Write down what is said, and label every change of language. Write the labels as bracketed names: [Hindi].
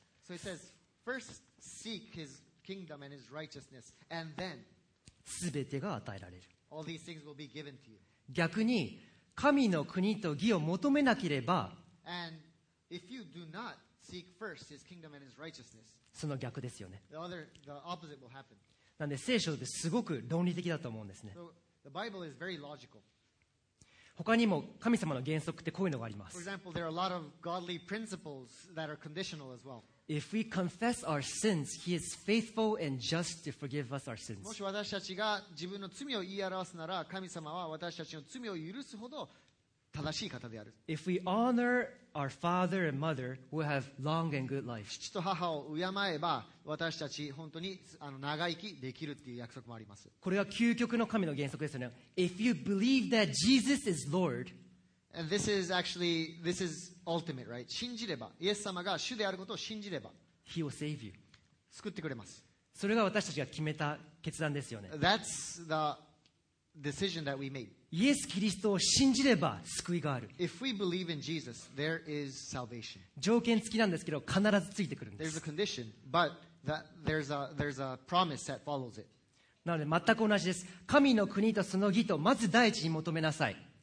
[English] So it says, first seek his kingdom and his righteousness, and then [Japanese] 全てが与えられる。 [English] All these things will be given to you. [Japanese] 逆に神の国と義を求めなければ [English] and if you do not seek first his kingdom and his righteousness, [Japanese] その逆ですよね。 [English] the opposite will happen. [Japanese] なので聖書ってすごく論理的だと思うんですね。 [English] So, the Bible is very logical. [Japanese] 他にも神様の原則ってこういうのがあります。 [English] For example, there are a lot of godly principles that are conditional as well. If we confess our sins, he is faithful and just to forgive us our sins. [Japanese] もし私たちが自分の罪を言い表すなら、神様は私たちの罪を許すほど正しい方である。 [English] If we honor our father and mother, we'll have long and good life. [Japanese] 父と母を敬えば、私たち本当に長生きできるっていう約束もあります。これは究極の神の原則ですよね。 [English] If you believe that Jesus is Lord, and this is actually, this is ultimate, right? [Japanese] 信じれば、イエス様が主であることを信じれば、 [English] He will save you. [Japanese] 救ってくれます。それが私たちが決めた決断ですよね。 [English] That's the decision that we made. [Japanese] イエス・キリストを信じれば救いがある。 [English] If we believe in Jesus, there is salvation. [Japanese] 条件付きなんですけど、必ずついてくるんです。 [English] There's a condition, but there's a promise that follows it. [Japanese] なので、全く同じです。神の国とその義と、まず第一に求めなさい。